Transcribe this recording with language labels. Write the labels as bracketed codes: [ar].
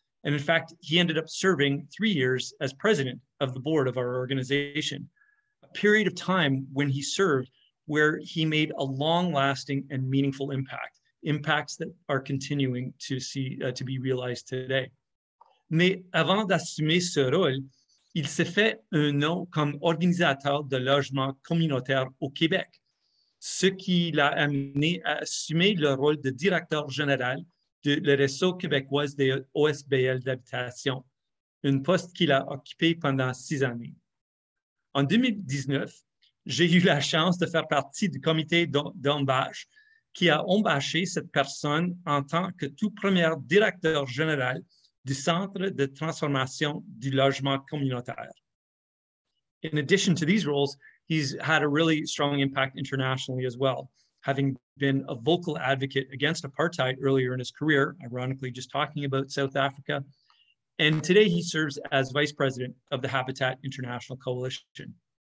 [en] And in fact, he ended up serving 3 years as president of the board of our organization, a period of time when he served where he made a long-lasting and meaningful impact, impacts that are continuing to see to be realized today. [fr] Mais avant d'assumer ce rôle, il s'est fait un nom comme organisateur de logement communautaire au Québec, ce qui l'a amené à assumer le rôle de directeur général de le réseau québécois des OSBL d'habitation, un poste qu'il a occupé pendant 6 années. En 2019, j'ai eu la chance de faire partie du comité d'embauche qui a embauché cette personne en tant que tout premier directeur général du Centre de transformation du logement communautaire. [en] In addition to these roles, he's had a really strong impact internationally as well, having been a vocal advocate against apartheid earlier in his career, ironically just talking about South Africa. And today he serves as vice president of the Habitat International Coalition.